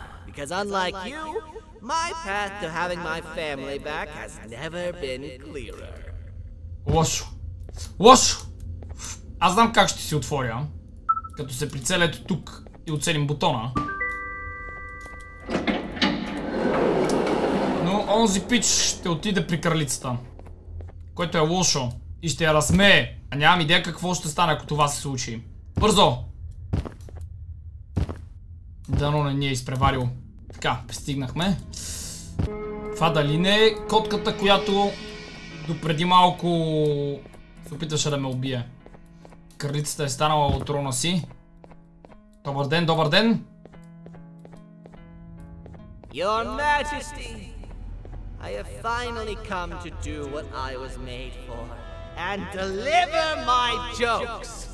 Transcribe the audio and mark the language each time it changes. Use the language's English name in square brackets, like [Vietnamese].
[English] Because unlike you, my path to having my family back has never been clearer. [Bulgarian] Лошо. Лошо. Аз знам как ще си отворя, като се прицеля ето тук и оцелим бутона. Но онзи пич ще отиде при кралицата, което е лошо, и ще я разсмее. А нямам идея какво ще стане, ако това се случи. Бързо. Дано не ни е изпреварил. Така, пристигнахме. Това дали не е котката, която допреди малко се опитваше да ме убие. Кралицата е станала от трона си. Добър ден, добър ден! [English] Your Majesty, I have finally come to do what I was made for and deliver my jokes!